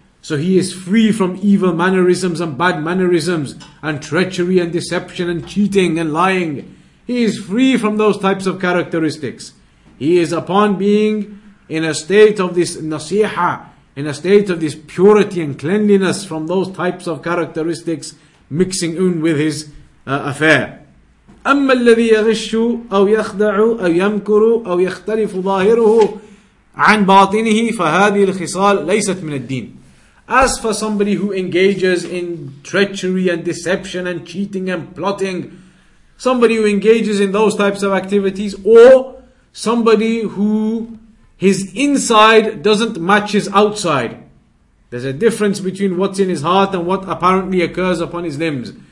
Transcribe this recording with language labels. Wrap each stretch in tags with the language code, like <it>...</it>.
<en>So he is free from evil mannerisms and bad mannerisms, and treachery and deception and cheating and lying. He is free from those types of characteristics. He is upon being in a state of this nasiha, in a state of this purity and cleanliness from those types of characteristics mixing in with his affair.</en> <ar>أما الذي يغش أو يخدع أو يمكر أو يختلف ظاهره عن باطنه فهذه الخصال ليست من الدين.</ar> <en>As for somebody who engages in treachery and deception and cheating and plotting, somebody who engages in those types of activities, or somebody who his inside doesn't match his outside. There's a difference between what's in his heart and what apparently occurs upon his limbs.</en>